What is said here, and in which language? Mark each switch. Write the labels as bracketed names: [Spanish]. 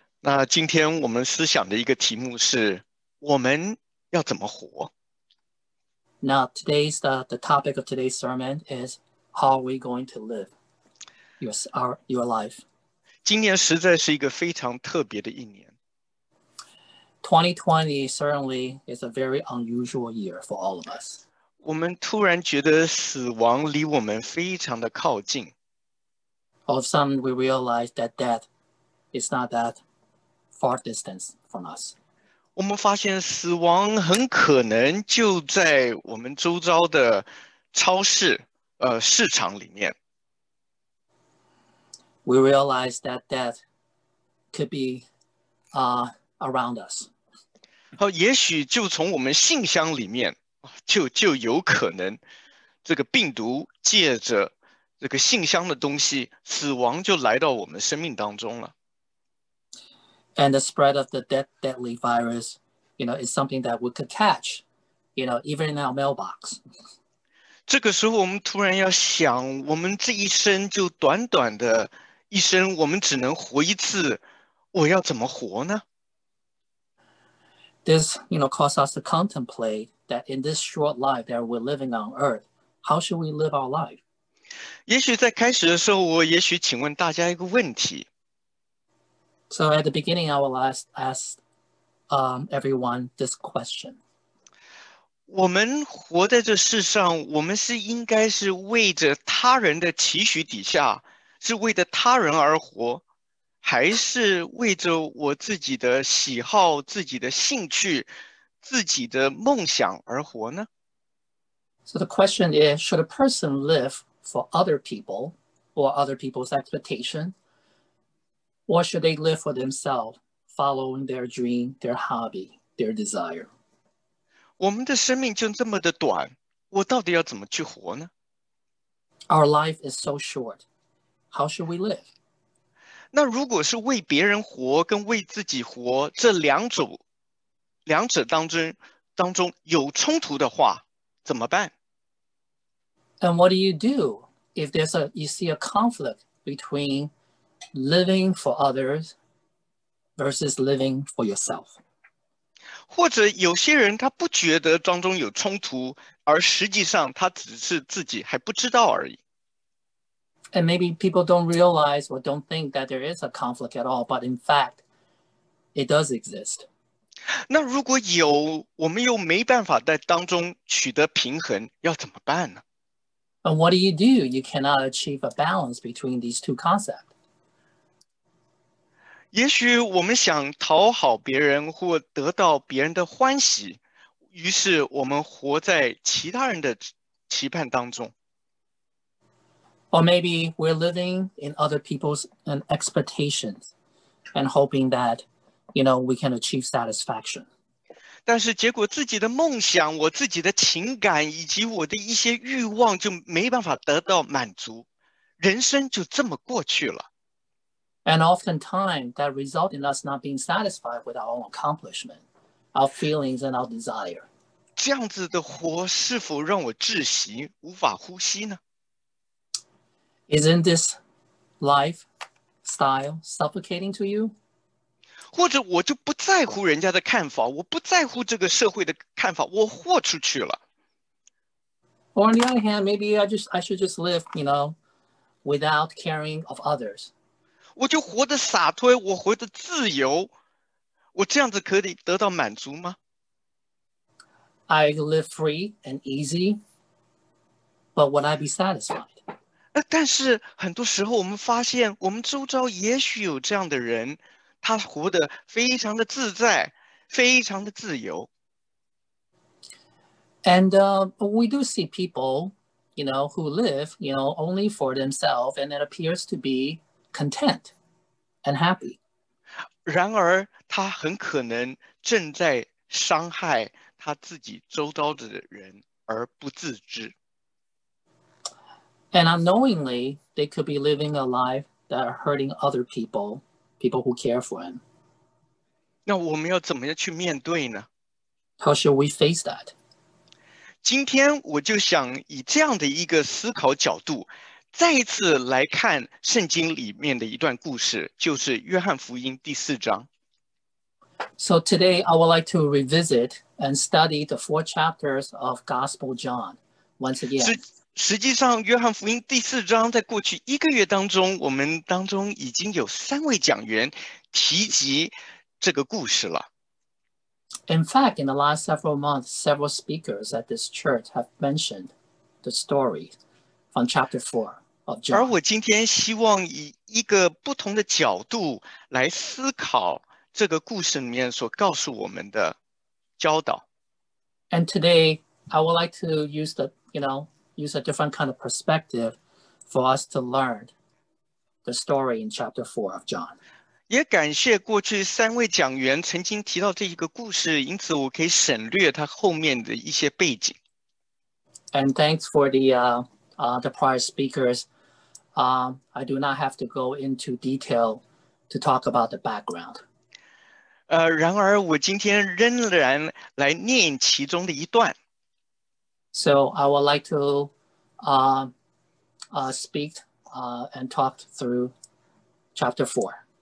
[Chinese] 那今天我们思想的一个题目是：我们要怎么活？ [English] Now, today's the topic of today's sermon is how are we going to live your life? [Chinese] 今年实在是一个非常特别的一年。 [English] 2020 certainly is a very unusual year for all of us. [Chinese] 我们突然觉得死亡离我们非常的靠近。 [English] All of a sudden, we realize that death is not that far distance from us. [Chinese] 我们发现死亡很可能就在我们周遭的超市、市场里面。 [English] We realize that death could be around us. [Chinese] 好，也许就从我们信箱里面，就有可能这个病毒借着这个信箱的东西，死亡就来到我们生命当中了。 [English] And the spread of the deadly virus, is something that we could catch, even in our mailbox. [Chinese] 这个时候，我们突然要想，我们这一生就短短的一生，我们只能活一次，我要怎么活呢？ [English] This, causes us to contemplate that in this short life that we're living on earth, how should we live our life? [Chinese] 也许在开始的时候，我也许请问大家一个问题。 [English] So at the beginning, I will ask everyone this question. [Chinese] 我们活在这世上，我们是应该是为着他人的期许底下，是为着他人而活，还是为着我自己的喜好、自己的兴趣、自己的梦想而活呢？ [English] So the question is, should a person live for other people or other people's expectation? Or should they live for themselves, following their dream, their hobby, their desire? [Chinese] 我们的生命就这么的短，我到底要怎么去活呢？ [English] Our life is so short. How should we live? [Chinese] 那如果是为别人活跟为自己活这两者当中有冲突的话，怎么办？ [English] And what do you do if there's a you see a conflict between living for others versus living for yourself? [Chinese] 或者有些人他不觉得当中有冲突，而实际上他只是自己还不知道而已。 [English] And maybe people don't realize or don't think that there is a conflict at all, but in fact, it does exist. [Chinese] 那如果有，我们又没办法在当中取得平衡，要怎么办呢？ [English] And what do? You cannot achieve a balance between these two concepts. [Chinese] 也许我们想讨好别人或得到别人的欢喜，于是我们活在其他人的期盼当中。 [English] Or maybe we're living in other people's expectations and hoping that, we can achieve satisfaction. [Chinese] 但是结果自己的梦想、我自己的情感以及我的一些欲望就没办法得到满足，人生就这么过去了。 [English] And oftentimes that result in us not being satisfied with our own accomplishment, our feelings and our desire. [Chinese] 这样子的活是否让我窒息，无法呼吸呢？ [English] Isn't this lifestyle suffocating to you? [Chinese] 或者我就不在乎人家的看法，我不在乎这个社会的看法，我豁出去了。 [English] Or on the other hand, maybe I should just live, without caring of others. [Chinese] 我就活得洒脱，我活得自由，我这样子可以得到满足吗？ [English] I live free and easy, but would I be satisfied? [Chinese] 但是很多时候我们发现，我们周遭也许有这样的人，他活得非常的自在，非常的自由。 [English] And we do see people, who live, only for themselves, and it appears to be content and happy. [Chinese] 然而，他很可能正在伤害他自己周遭的人，而不自知。 [English] And unknowingly, they could be living a life that are hurting other people, people who care for him. [Chinese] 那我们要怎么样去面对呢？ [English] How should we face that? [Chinese] 今天我就想以这样的一个思考角度，再一次来看圣经里面的一段故事，就是约翰福音第四章。 [English] So today I would like to revisit and study the four chapters of Gospel John once again. [Chinese] 实际上，约翰福音第四章在过去一个月当中，我们当中已经有三位讲员提及这个故事了。 [English] In fact, in the last several months, several speakers at this church have mentioned the story from chapter 4 of John. [Chinese] 而我今天希望以一个不同的角度来思考这个故事里面所告诉我们的教导。 [English] And today, I would like to use the, you know, use a different kind of perspective for us to learn the story in chapter 4 of John. [Chinese] 也感谢过去三位讲员曾经提到这一个故事，因此我可以省略它后面的一些背景。 [English] And thanks for the prior speakers. I do not have to go into detail to talk about the background. [Chinese] 然而我今天仍然来念其中的一段。 [English] So I would like to speak and talk through chapter 4.